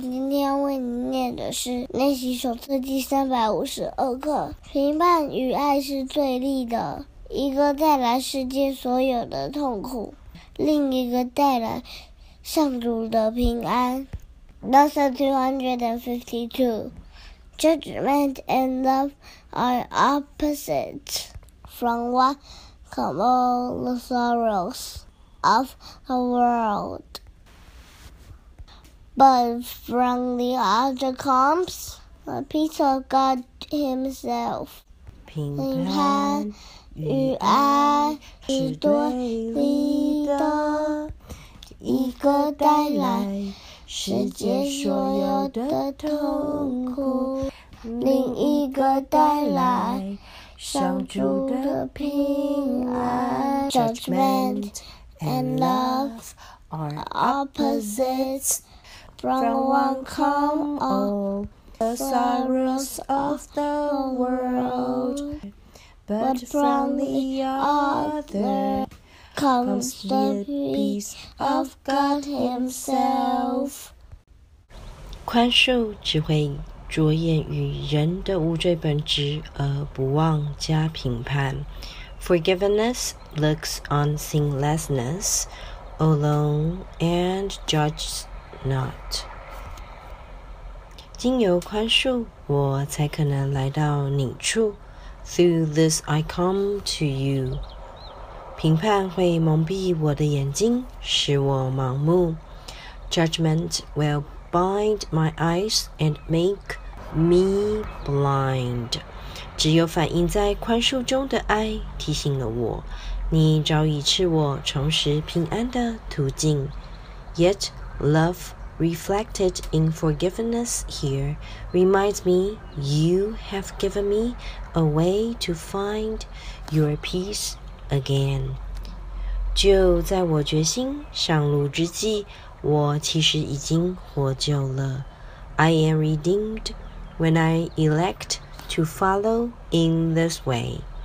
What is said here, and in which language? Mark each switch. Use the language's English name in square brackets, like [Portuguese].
[Chinese] 今天为你念的是练习手册第352课，评判与爱是对立的，一个带来世间所有的痛苦，另一个带来上主的平安。 [English] Lesson 252， Judgment and love are opposites from what come all the sorrowsOf a world, but from the other comes the peace of God Himself. [Chinese] 评判与爱是对立的，一个带来世界所有的痛苦，另一个带来上主的平安。 [English] JudgmentAnd love are opposites from one come all the sorrows of the world, but from the other comes the peace of God Himself. [Chinese] 宽恕只会着眼于人的无罪本质，而不妄加评判。 [English] Forgiveness looks on sinlessness alone and judges not. [Chinese] 经由宽恕，我才可能来到你处。 [English] Through this I come to you. [Chinese] 评判会蒙蔽我的眼睛，使我盲目。 [English] Judgment will blind my eyes and make me blind. [Chinese] 只有反映在宽恕中的爱提醒了我，你早已赐我重拾平安的途径。 [English] Yet love reflected in forgiveness here reminds me you have given me a way to find your peace again. [Chinese] 就在我决心上路之际，我其实已经获救了。 [English] I am redeemed when I electTo follow in this way.